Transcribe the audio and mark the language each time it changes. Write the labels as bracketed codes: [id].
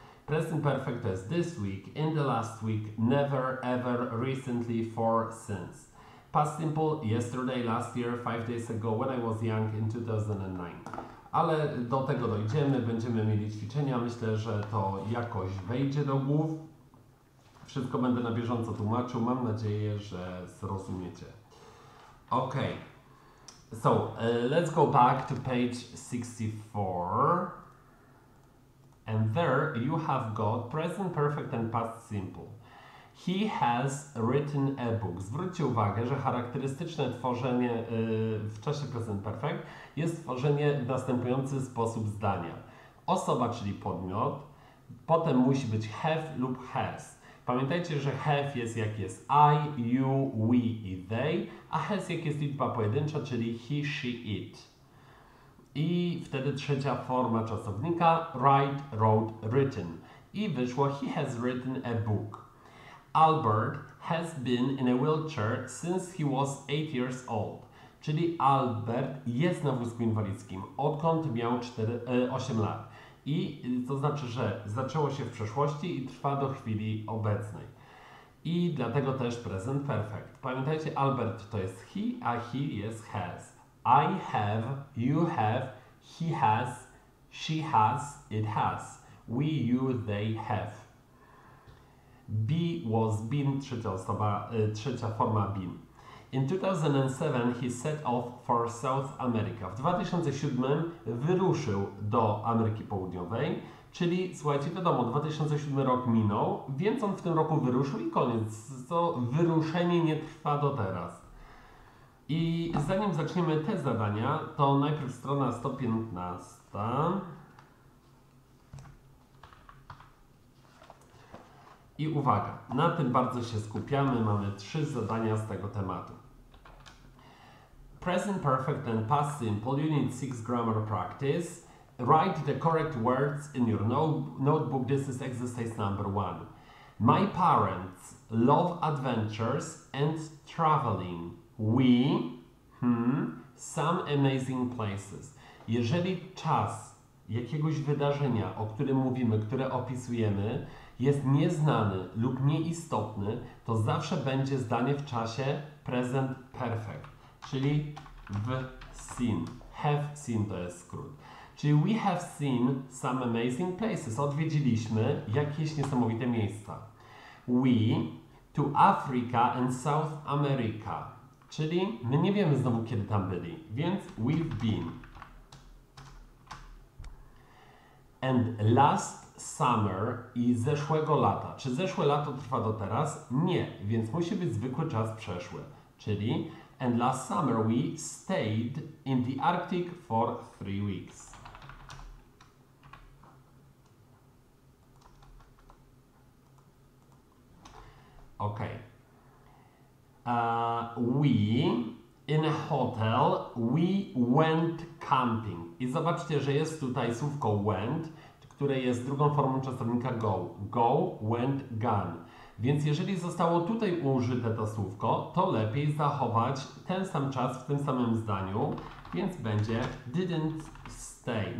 [en] Present perfect [pl] to jest [en] this week, in the last week, never, ever, recently, for, since. Past simple, yesterday, last year, 5 days ago, when I was young, in 2009. [pl] Ale do tego dojdziemy, będziemy mieli ćwiczenia, myślę, że to jakoś wejdzie do głów. Wszystko będę na bieżąco tłumaczył, mam nadzieję, że zrozumiecie. [en] Ok, so let's go back to page 64. And there you have got present perfect and past simple. He has written a book. [pl] Zwróćcie uwagę, że charakterystyczne tworzenie w czasie present perfect jest tworzenie w następujący sposób zdania. Osoba, czyli podmiot, potem musi być have lub has. Pamiętajcie, że have jest jak jest I, you, we i they, a has jak jest liczba pojedyncza, czyli he, she, it. I wtedy trzecia forma czasownika, write, wrote, written. I wyszło [en] he has written a book. Albert has been in a wheelchair since he was 8 years old. [pl] Czyli Albert jest na wózku inwalidzkim, odkąd miał 8 lat. I to znaczy, że zaczęło się w przeszłości i trwa do chwili obecnej. I dlatego też present perfect. Pamiętajcie, Albert to jest he, a he jest has. [en] I have, you have, he has, she has, it has. We, you, they have. Be was been, [pl] trzecia osoba, trzecia forma [en] been. In 2007 he set off for South America. [pl] W 2007 wyruszył do Ameryki Południowej, czyli słuchajcie, wiadomo, 2007 rok minął, więc on w tym roku wyruszył i koniec. To wyruszenie nie trwa do teraz. I zanim zaczniemy te zadania, to najpierw strona 115. I uwaga, na tym bardzo się skupiamy, mamy trzy zadania z tego tematu. [en] Present perfect and past simple, you need 6 grammar practice. Write the correct words in your notebook, this is exercise number 1. My parents love adventures and traveling. We, some amazing places. [pl] Jeżeli czas jakiegoś wydarzenia, o którym mówimy, które opisujemy, jest nieznany lub nieistotny, to zawsze będzie zdanie w czasie present perfect. Czyli w seen. Have seen to jest skrót. Czyli [en] we have seen some amazing places. [pl] Odwiedziliśmy jakieś niesamowite miejsca. [en] We to Africa and South America. [pl] Czyli my nie wiemy znowu, kiedy tam byli. Więc [en] we've been. And last summer [pl] i zeszłego lata. Czy zeszłe lato trwa do teraz? Nie. Więc musi być zwykły czas przeszły. Czyli [en] and last summer we stayed in the Arctic for 3 weeks. Okay. We in a hotel, we went camping. [pl] I zobaczcie, że jest tutaj słówko went, które jest drugą formą czasownika go. Go, went, gone. Więc jeżeli zostało tutaj użyte to słówko, to lepiej zachować ten sam czas w tym samym zdaniu, więc będzie didn't stay.